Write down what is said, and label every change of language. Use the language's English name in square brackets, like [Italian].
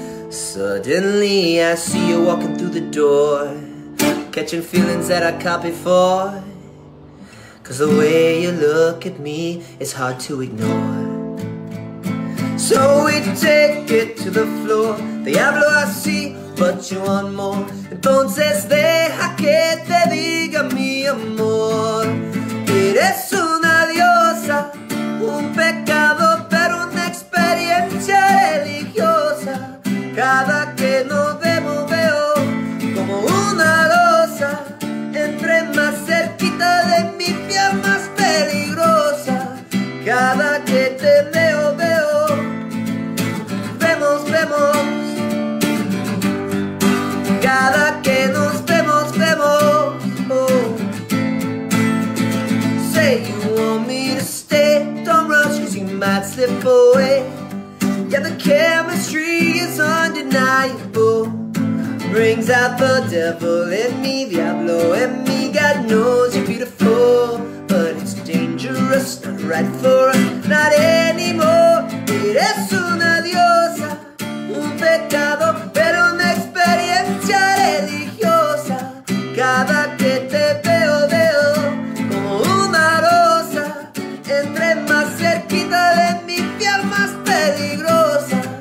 [English] Suddenly I see you walking through the door, catching feelings that I caught before. 'Cause the way you look at me is hard to ignore. So we take it to the floor. Diablo, I see, but you want more. [Spanish] Entonces deja que te diga mi amor. Eres una diosa, un pecado, pero una experiencia religiosa. Cada que nos vemos veo como una losa. Entre más cerquita de mi piel más peligrosa. Cada que te veo, veo. Vemos, vemos. Cada que nos vemos, vemos, oh. [English] Say you want me to stay, don't rush, 'cause you might slip away. Yeah, the chemistry is undeniable. Brings out the devil in me, Diablo in me. God knows you're beautiful, but it's dangerous, not right for us, not anymore. [Spanish] Eres una diosa, un pecado, pero una experiencia religiosa. Cada que te veo, veo como una rosa. Entre más cerquita de mi piel, más peligrosa.